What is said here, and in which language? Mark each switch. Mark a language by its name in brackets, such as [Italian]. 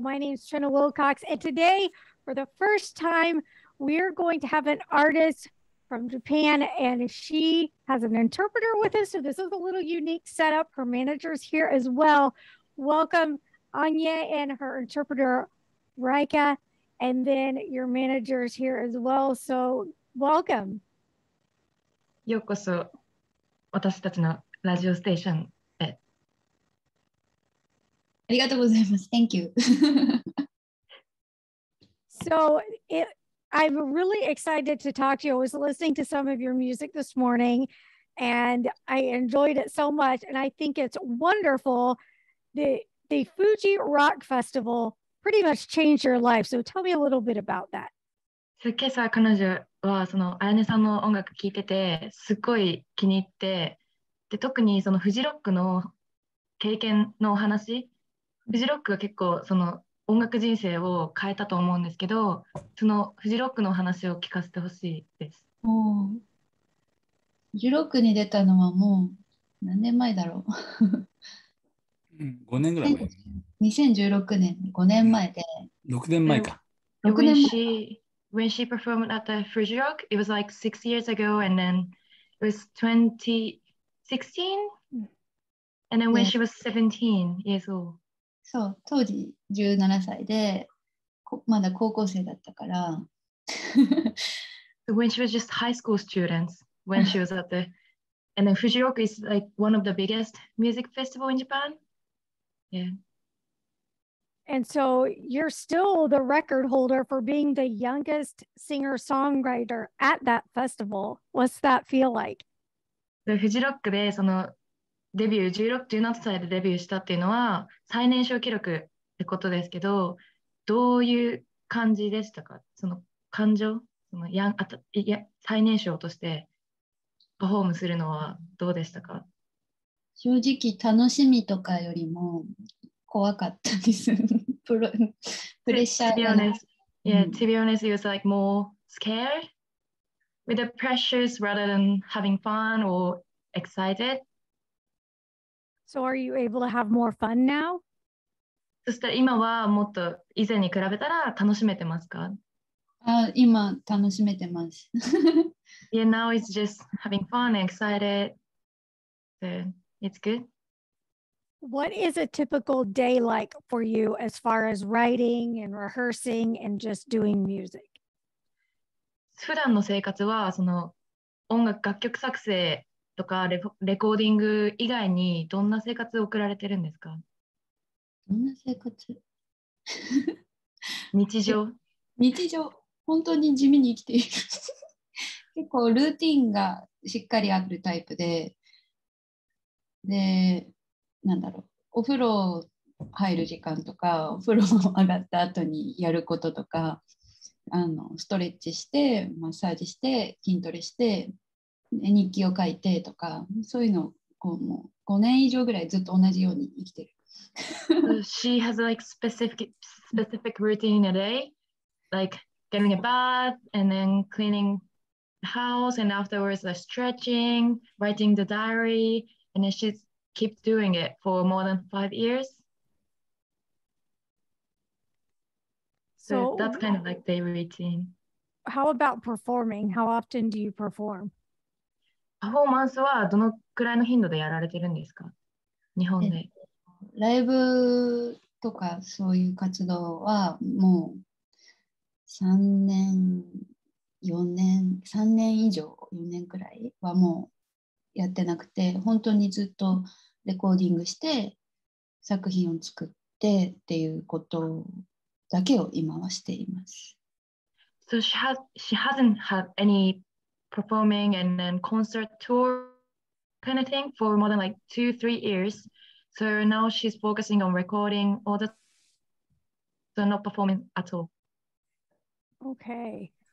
[English] My name is Trina Wilcox, and today, for the first time, we're going to have an artist from Japan, and she has an interpreter with us, so this is a little unique setup. Her manager's here as well. Welcome, Anya, and her interpreter, Raika, and then your manager's here as well, so welcome. [Japanese] ようこそ、私たちのラジオステーションへ。ありがとうございます。 [English] Thank you. So, I'm really excited to talk to you. I was listening to some of your music this morning, and I enjoyed it so much, and I think it's wonderful. The Fuji Rock Festival pretty much changed your life, so tell me a little bit about that. [Japanese] 今朝彼女はそのあやねさんの音楽聴いててすごい気に入って、で特にそのフジロックの経験のお話、フジロックが結構その音楽人生を変えたと思うんですけど、そのフジロックの話を聞かせてほしいです。フジロックに出たのはもう何年前だろう 5年ぐらい前、 2016年、5年前で、 6年前か、 6年前。 [English] When she performed at the Fuji Rock, it was like 6 years ago, and then it was 2016, and then when、ね、she was 17 years old. [Japanese] そう、当時17歳で、まだ高校生だったから。 [English] So、when she was just high school students, when she was at the, and then Fuji Rock is like one of the biggest music festival in Japan. Yeah. And so you're still the record holder for being the youngest singer-songwriter at that festival. What's that feel like? [Japanese] The Fuji Rock でそのデビュー16、17歳でデビューしたっていうのは最年少記録ってことですけど、どういう感じでしたか？その感情、そのやん、あた、いや、最年少としてパフォームするのはどうでしたか？正直楽しみとかよりも怖かったです。プレッシャーが。 [English] To be honest, yeah, to be honest, he was like more scared with the pressures rather than having fun or excited. So are you able to have more fun now? [Japanese] そして今はもっと以前に比べたら楽しめてますか？今楽しめてます。 [English] Yeah, now it's just having fun and excited. So it's good. What is a typical day like for you as far as writing and rehearsing and just doing music? [Japanese] 普段の生活はその音楽楽曲作成とかレコーディング以外にどんな生活を送られてるんですか？どんな生活？日常。日常。本当に地味に生きている。結構ルーティーンがしっかりあるタイプで、で、なんだろう、お風呂入る時間とか、お風呂上がった後にやることとか、あのストレッチして、マッサージして、筋トレして、日記を書いてとか、そういうのをこうもう5年以上ぐらいずっと同じように生きてる。 [English] She has like specific routine in a day, like getting a bath and then cleaning the house and afterwards the stretching, writing the diary, and then she'sKeep doing it for more than 5 years. So that's kind of like their routine. How about performing? How often do you perform? [Japanese] パフォーマンスはどのくらいの頻度でやられてるんですか？日本で。ライブとかそういう活動はもう3年以上4年くらいはもうやってなくて、本当にずっとレコーディングして作品を作ってっていうことだけを今はしています。 [English] So she hasn't had any performing and then concert tour kind of thing for more than like 2-3 years. So now she's focusing on recording all the so not performing at all. Okay.